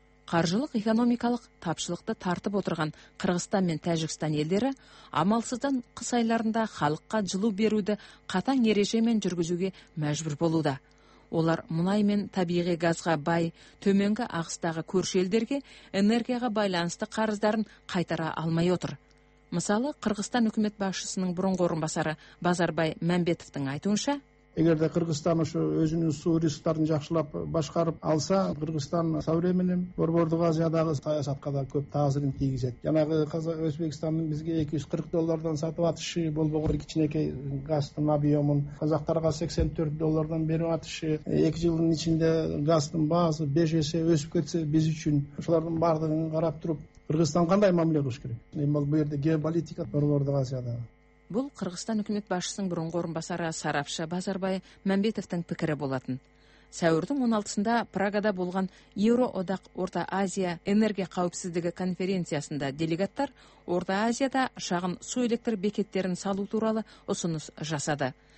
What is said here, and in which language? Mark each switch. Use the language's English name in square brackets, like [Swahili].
[Kazakh] Қаржылық экономикалық тапшылықты тартып отырған Қырғызстан мен Тәжікстан елдері амалсыздан қыс айларында халыққа жылу беруді қатаң ережемен жүргізуге мәжбүр болуда. Олар мұнай мен табиғи газға бай төменгі ағыстағы көрші елдерге энергияға байланысты қарыздарын қайтара алмай отыр. Мысалы, Қырғызстан үкімет басшысының бұрынғы орынбасары Базарбай Мәмбетовтің айтуынша, [Kyrgyz] Егер де Кыргызстан ушу өзүнүн суу ресурстарын жакшылап башкарып алса, Кыргызстан савременный борбордук Азиядагы саясатка да көп таасирин тийгизет. Жанагы Өзбекстандын бизге 240 доллардан сатып атышы болбогон кичинекей газдын объемун, казактарга 84 доллардан берип атышы, 2 жылдын ичинде газдын баасы 5 эсе өсүп кетсе биз үчүн ушулардын бардыгын карап туруп, Кыргызстан кандай мамиле кылыш керек? Эми бул жерде геополитика борбордук Азиядагы [Kazakh] Бұл Қырғызстан үкімет басшысының бұрынғы орынбасары сарапшы Базарбай Мәмбетовтің пікірі болатын. Сәуірдің 16-сында Прагада болған Еуроодақ Орта Азия энергия қауіпсіздігі конференциясында делегаттар Орта Азияда шағын су электр бекеттерін салу туралы ұсыныс жасады.